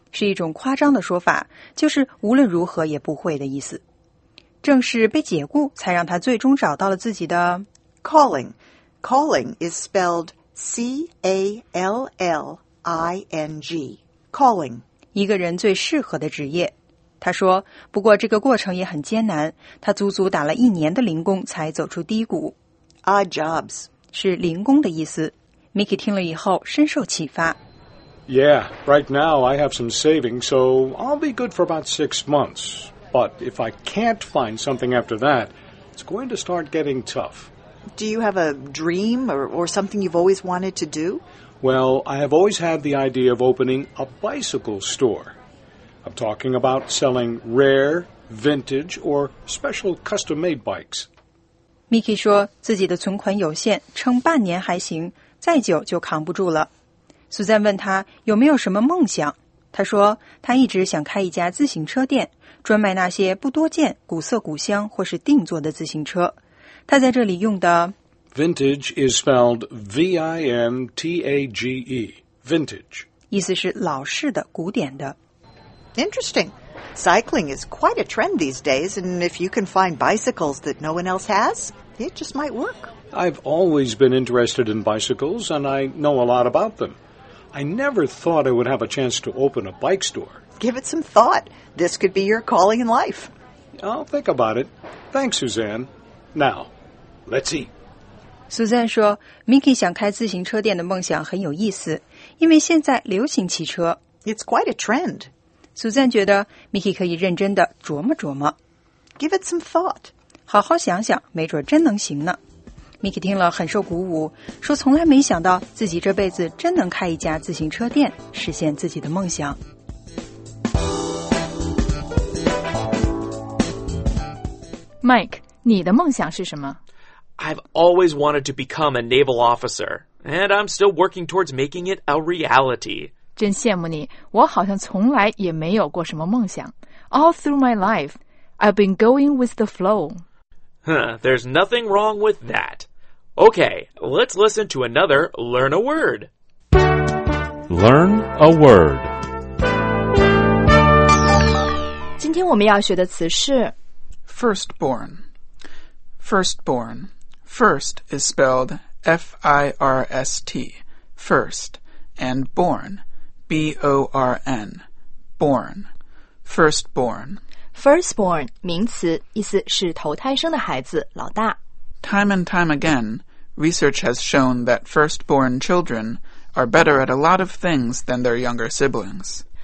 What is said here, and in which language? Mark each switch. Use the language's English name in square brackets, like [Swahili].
[Chinese] 是一种夸张的说法，就是无论如何也不会的意思。正是被解雇，才让他最终找到了自己的 [English] calling。 Calling is spelled C-A-L-L-I-N-G. Calling. [Chinese] 一个人最适合的职业。他说，不过这个过程也很艰难，他足足打了一年的零工才走出低谷。 [English] Odd jobs. [Chinese] 是零工的意思。 Mickey 听了以后深受启发。 [English] Yeah, right now I have some savings, so I'll be good for about 6 months. But if I can't find something after that, it's going to start getting tough. Do you have a dream or something you've always wanted to do? Well, I have always had the idea of opening a bicycle store. I'm talking about selling rare, vintage, or special custom-made bikes. [Chinese] Mickey 说自己的存款有限，撑半年还行，再久就扛不住了。 Suzanne 问他有没有什么梦想，他说他一直想开一家自行车店，专卖那些不多见、古色古香或是定做的自行车。他在这里用的 [English] Vintage is spelled V-I-N-T-A-G-E, vintage. [Chinese] 意思是老式的、古典的。 [English] Interesting. Cycling is quite a trend these days, and if you can find bicycles that no one else has, it just might work. I've always been interested in bicycles, and I know a lot about them. I never thought I would have a chance to open a bike store. Give it some thought. This could be your calling in life. I'll think about it. Thanks, Suzanne. Now, let's eat. [Chinese] Suzanne 说 Mickey 想开自行车店的梦想很有意思，因为现在流行汽车。 [English] It's quite a trend. [Chinese] Suzanne 觉得 Mickey 可以认真地琢磨琢磨。 [English] Give it some thought. [Chinese] 好好想想，没准真能行呢。Mickey 听了很受鼓舞，说从来没想到自己这辈子真能开一家自行车店，实现自己的梦想。 Mike, 你的梦想是什么？ [English] I've always wanted to become a naval officer, and I'm still working towards making it a reality. [Chinese] 真羡慕你，我好像从来也没有过什么梦想。 [English] All through my life, I've been going with the flow. There's nothing wrong with that. Okay, let's listen to another Learn a Word. Learn a Word. [Chinese] 今天我们要学的词是 [English] Firstborn. Firstborn. First is spelled F-I-R-S-T. First and born. B-O-R-N, born, firstborn. [Chinese] Firstborn, 名词，意思是头胎生的孩子，老大。 [English] Time and time again, research has shown that firstborn children are better at a lot of things than their younger siblings.